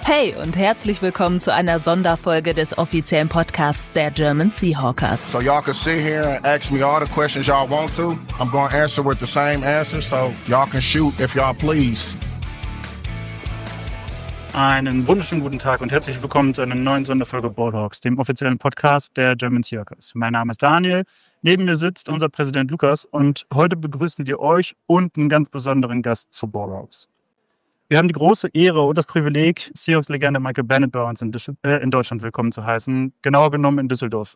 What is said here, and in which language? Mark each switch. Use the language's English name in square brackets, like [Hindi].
[German] Hey und herzlich willkommen zu einer Sonderfolge des offiziellen Podcasts der German Seahawkers. [English] So y'all can sit here and ask me all the questions y'all want to. I'm going to answer with the same answer, so y'all can shoot if y'all please. [German] Einen wunderschönen guten Tag und herzlich willkommen zu einer neuen Sonderfolge Ballhawks, dem offiziellen Podcast der German Seahawkers. Mein Name ist Daniel, neben mir sitzt unser Präsident Lukas und heute begrüßen wir euch und einen ganz besonderen Gast zu Ballhawks. Wir haben die große Ehre und das Privileg, Seahawks-Legende Michael Bennett bei uns in Deutschland willkommen zu heißen, genauer genommen in Düsseldorf.